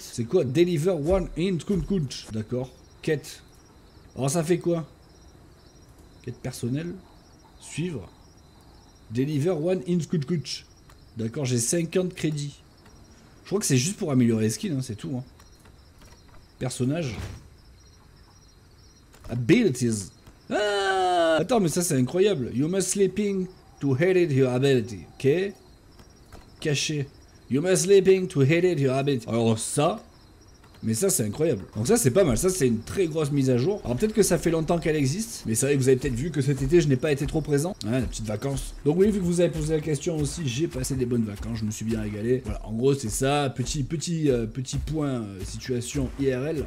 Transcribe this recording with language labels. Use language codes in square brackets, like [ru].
[fr] C'est quoi? [en] Deliver one in Kunkunt. [fr] D'accord, quête. Alors ça fait quoi? Quête personnelle. Suivre. [en] Deliver one in Kunkunt. [fr] D'accord, j'ai 50 crédits. Je crois que c'est juste pour améliorer les skins, hein, c'est tout. Hein. Personnage. Abilities. Ah, attends, mais ça c'est incroyable. [en] You must sleeping to hit your ability. Ok. Caché. You must sleeping to hit your ability. [fr] Alors ça... mais ça, c'est incroyable. Donc ça, c'est pas mal. Ça, c'est une très grosse mise à jour. Alors peut-être que ça fait longtemps qu'elle existe. Mais c'est vrai que vous avez peut-être vu que cet été, je n'ai pas été trop présent. Ouais, la petite vacance. Donc oui, vu que vous avez posé la question aussi, j'ai passé des bonnes vacances. Je me suis bien régalé. Voilà, en gros, c'est ça. Petit point situation IRL.